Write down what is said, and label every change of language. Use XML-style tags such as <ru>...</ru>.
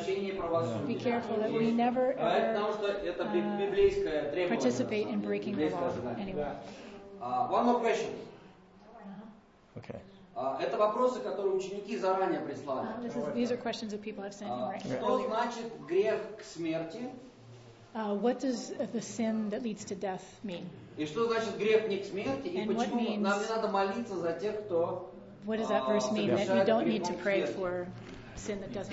<en>Be careful that we never ever participate in breaking the law. Anyway. One more question. Okay.</en> <ru>Это вопросы, которые ученики заранее прислали.</ru> <en>These are questions that people have sent earlier.</en> <ru>Что значит грех к смерти?</ru> <en>What does the sin that leads to death mean?</en> <ru>И что значит грех не к смерти? И почему нам не надо молиться за тех, кто</ru> <en>What does that verse mean, that you don't need to pray for sin that doesn't</en>